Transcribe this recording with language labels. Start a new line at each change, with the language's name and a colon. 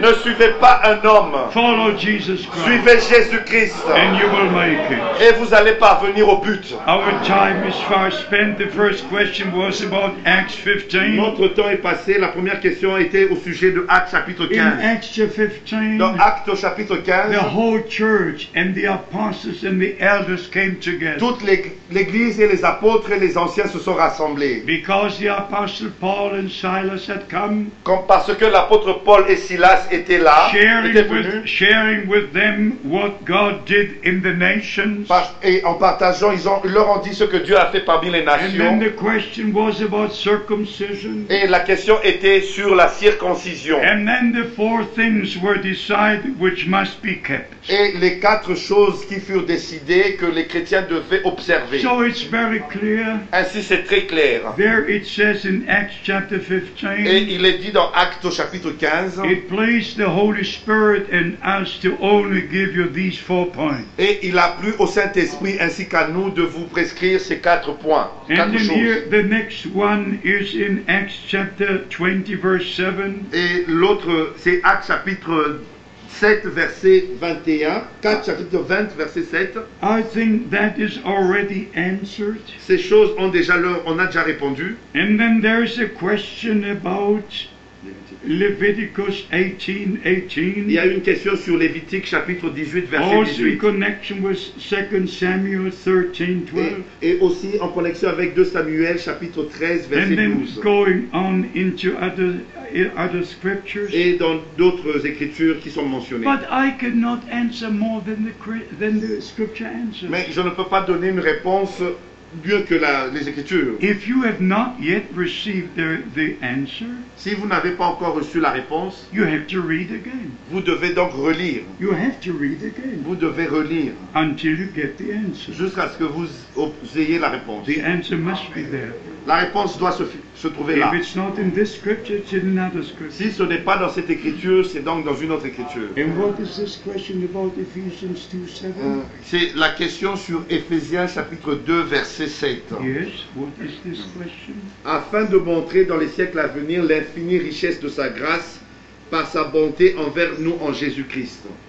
French: Ne suivez pas un homme.
English: Follow Jesus Christ.
French: Suivez Jésus Christ.
English: And you will make it.
French: Et vous allez parvenir au but.
English: Our time is far spent. The first question was about Acts 15.
French: Notre temps est passé. La première question était au sujet de Acts chapitre 15.
English: In Acts 15.
French: Au chapitre 15,
English: the whole church and the apostles and the elders came together.
French: Toute l'église et les apôtres et les anciens se sont rassemblés.
English: Because the apostle Paul and Silas had come.
French: Comme parce que l'apôtre Paul et Silas étaient là.
English: Sharing with them what God did in the nations.
French: Et en partageant, ils leur ont dit ce que Dieu a fait parmi les nations.
English: And then the question was about circumcision.
French: Et la question était sur la circoncision.
English: And then the four things were decided. Which must be kept.
French: Et les quatre choses qui furent décidées que les chrétiens devaient observer.
English: So it's very clear.
French: Ainsi c'est très clair.
English: There it says in Acts chapter 15.
French: Et il est dit dans Actes au chapitre 15.
English: It pleased the Holy Spirit and us to only give you these four points.
French: Et il a plu au Saint-Esprit ainsi qu'à nous de vous prescrire ces quatre points.
English: And
French: quatre choses.
English: Here, the next one is in Acts chapter 20 verse 7.
French: Et l'autre c'est Actes chapitre 7 verset 21, 4 chapitre 20 verset 7.
English: I think that is already answered.
French: Ces choses ont déjà on a déjà répondu.
English: And then there is a question about Leviticus 18:18.
French: Il y a une question sur Lévitique chapitre 18 verset 18.
English: Also in connection with 2 Samuel 13:12.
French: Et aussi en connexion avec 2 Samuel chapitre 13 verset 12.
English: And then going on into other scriptures.
French: Et dans d'autres écritures qui sont mentionnées.
English: But I cannot answer more than the scripture answers.
French: Mais je ne peux pas donner une réponse mieux que les Écritures.
English: If you have not yet received the answer,
French: si vous n'avez pas encore reçu la réponse,
English: you have to read again.
French: Vous devez donc relire.
English: You have to read again.
French: Vous devez relire.
English: Until you get the answer.
French: Jusqu'à ce que vous ayez la réponse.
English: The answer must be there.
French: La réponse doit se trouver
English: if
French: là.
English: It's not in this scripture, it's in another scripture.
French: Si ce n'est pas dans cette Écriture, c'est donc dans une autre Écriture.
English: And what is this question about Ephesians 2:7?
French: C'est la question sur Éphésiens chapitre 2, verset 7.
English: Yes, what is this question?
French: Afin de montrer dans les siècles à venir l'infinie richesse de sa grâce par sa bonté envers nous en Jésus-Christ.